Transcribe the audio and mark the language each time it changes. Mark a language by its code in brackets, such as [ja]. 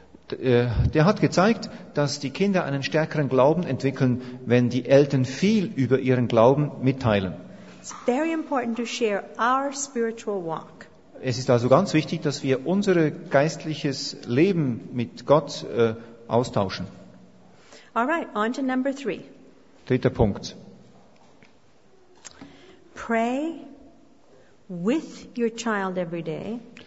[de] Der hat gezeigt, dass die Kinder einen stärkeren Glauben entwickeln, wenn die Eltern viel über ihren Glauben mitteilen. [en] It's very important to share our spiritual walk. [de] Es ist also ganz wichtig, dass wir unser geistliches Leben mit Gott austauschen. [en] All right, on to number three. [de] Dritter Punkt. [en] Pray with your child every day.